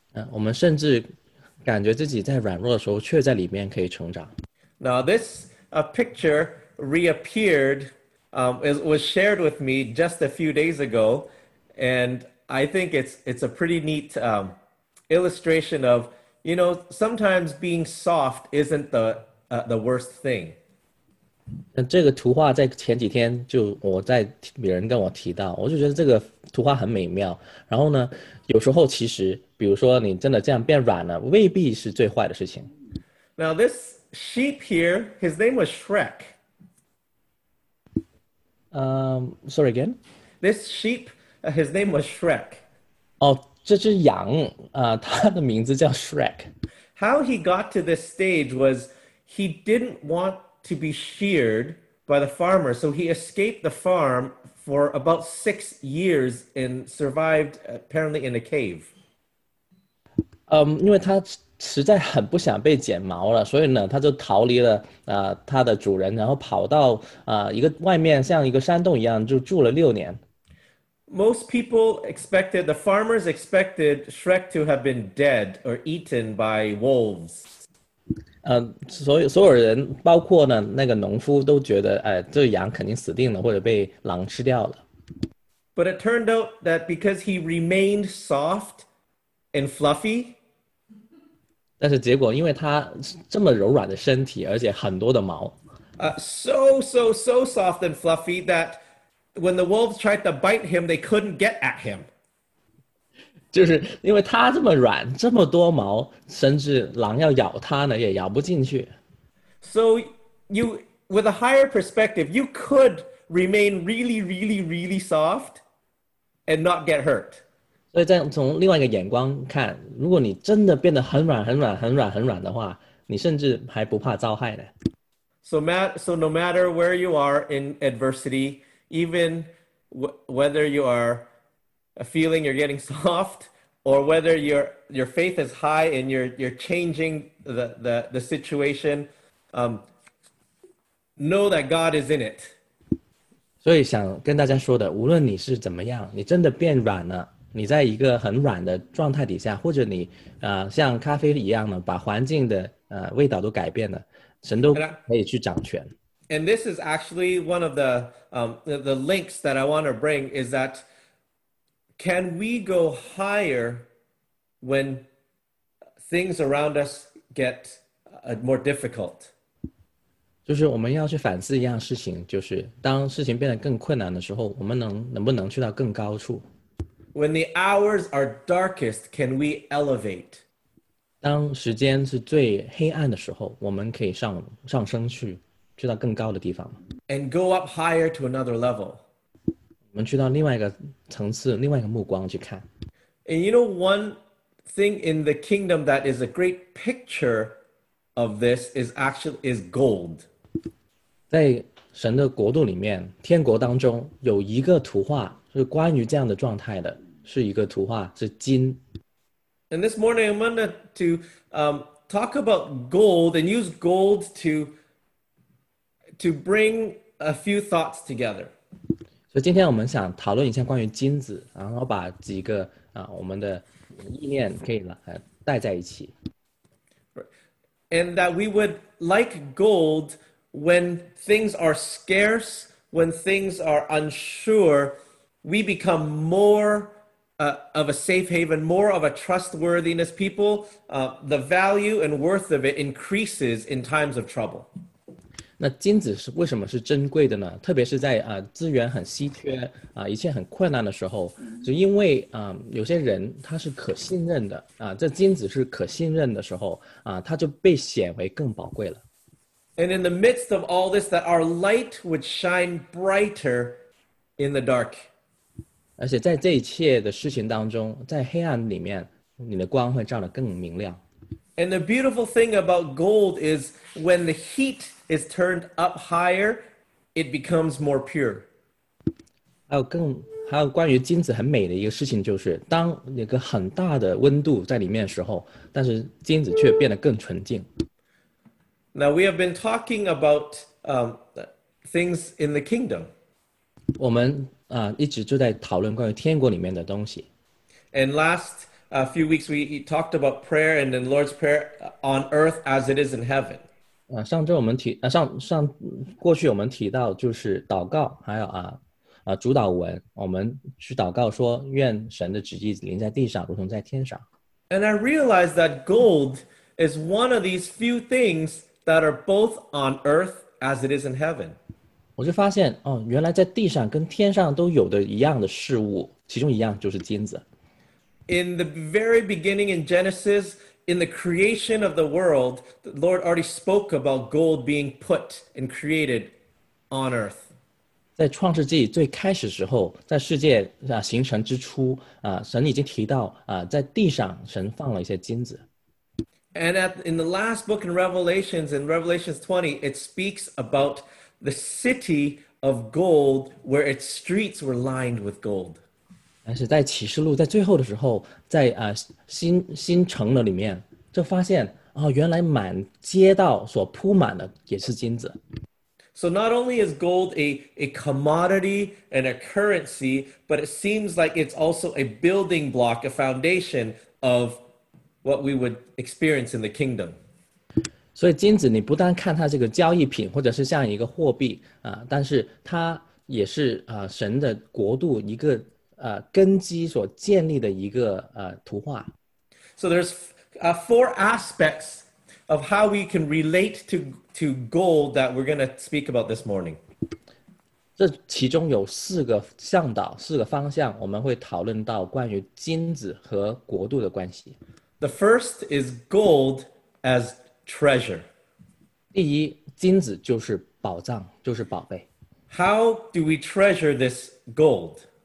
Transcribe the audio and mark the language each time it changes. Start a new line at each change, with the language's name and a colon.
Chinese: 我们甚至感觉自己在软弱的时候，却在里面可以成长。
English: Now this picture reappeared, was shared with me just a few days ago, and I think it's a pretty neat illustration of, you know, sometimes being soft isn't the worst thing.
Chinese: 这个图画在前几天就我在别人跟我提到，我就觉得这个图画很美妙。然后呢，有时候其实。比如说你真的这样变软了，未必是最坏的事情。
English: Now this sheep here, his name was Shrek. Sorry again? This sheep, his name was Shrek.
Chinese: Oh, 这只羊它的名字叫 Shrek。
English: How he got to this stage was he didn't want to be sheared by the farmer, so he escaped the farm for about 6 years and survived apparently in a cave.
Chinese: 因为他实在很不想被剪毛了，所以呢，他就逃离了他的主人，然后跑到一个外面像一个山洞一样就住了6年。
English: Most people expected, the farmers expected Shrek to have been dead or eaten by wolves.
Chinese: 所有人，包括呢那个农夫，都觉得，哎，这羊肯定死定了，或者被狼吃掉了。
English: But it turned out that because he remained soft and fluffy.
Chinese: 但是结果，因为他这么柔软的身体，而且很多的毛。
English: So soft and fluffy that. When the wolves tried to bite him, they couldn't get at him.
Chinese: 就是因为他这么软，这么多毛，甚至狼要咬他呢，也咬不进去。
English: So you, with a higher perspective, you could remain really, really, really soft and not get hurt.
Chinese: 所以在从另外一个眼光看，如果你真的变得很软、很软、很软、很软的话，你甚至还不怕遭害呢。
English: So no matter where you are in adversity,Even whether you are feeling you're getting soft, or whether your faith is high and you're changing the situation, know that God is in it.
Chinese: 所以想跟大家说的，无论你是怎么样，你真的变软了，你在一个很软的状态底下，或者你像咖啡一样呢，把环境的味道都改变了，神都可以去掌权。
English: And this is actually one of the links that I want to bring is that can we go higher when things around us get more difficult?
Chinese: 就是我们要去反思一样事情，就是当事情变得更困难的时候，我们能不能去到更高处？
English: When the hours are darkest, can we elevate?
Chinese: 当时间是最黑暗的时候，我们可以上升去。去到更高的地方
English: and go up higher to another level.
Chinese: 我们去到另外一个层次，另外一个目光去看。
English: And you know one thing in the kingdom that is a great picture of this is gold.
Chinese: 在神的国度里面，天国当中有一个图画是关于这样的状态的，是一个图画是金。
English: And this morning I'm going to talk about gold and use gold to bring a few thoughts together. So,
Chinese: 今天我们想讨论一下关于金子，然后把几个我们的意念可以带在一起。
English: And that we would like gold when things are scarce, when things are unsure, we become more of a safe haven, more of a trustworthiness people. The value and worth of it increases in times of trouble.
Chinese: 那金子是为什么是珍贵的呢？特别是在资源很稀缺一切很困难的时候，就因为有些人他是可信任的这金子是可信任的时候他就被显为更宝贵了。
English: And in the midst of all this, that our light would shine brighter in the dark.
Chinese: 而且在这一切的事情当中，在黑暗里面，你的光会照得更明亮。
English: And the beautiful thing about gold is when the heat is turned up higher, it becomes more pure.
Chinese: 还有关于金子很美的一个事情就是当那个很大的温度在里面的时候，但是金子却变得更纯净。
English: Now we have been talking about things in the kingdom.
Chinese: 我们一直就在讨论关于天国里面的东西。
English: And lastA few weeks we talked about prayer and then Lord's Prayer on earth as it is in heaven.
Chinese: 上周我们提上过去我们提到就是祷告，还有主祷文，我们去祷告说愿神的旨意临在地上，如同在天上。
English: And I realized that gold is one of these few things that are both on earth as it is in heaven.
Chinese: 我就发现原来在地上跟天上都有的一样的事物，其中一样就是金子。
English: In the very beginning in Genesis, in the creation of the world, the Lord already spoke about gold being put and created on earth.
Chinese: 在创世纪最开始时候，在世界啊形成之初啊，神已经提到啊，在地上神放了一些金子。
English: And in the last book in Revelations 20, it speaks about the city of gold where its streets were lined with gold.
Chinese: 但是在启示录在最后的时候，在啊新城的里面，就发现啊，原来满街道所铺满的也是金子。
English: So not only is gold a commodity and a currency, but it seems like it's also a building block, a foundation of what we would experience in the kingdom.
Chinese: 所以金子你不单看它这个交易品，或者是像一个货币啊，但是它也是啊神的国度一个根基所建立的一个图画。
English: So there's four aspects of how we can relate to gold that we're going to speak about this morning.
Chinese: 这其中有四个向导，四个方向，我们会讨论到关于金子和国度的关系。
English: The first is gold as treasure.
Chinese: 第一，金子就是宝藏，就是宝贝。
English: How do we treasure this gold?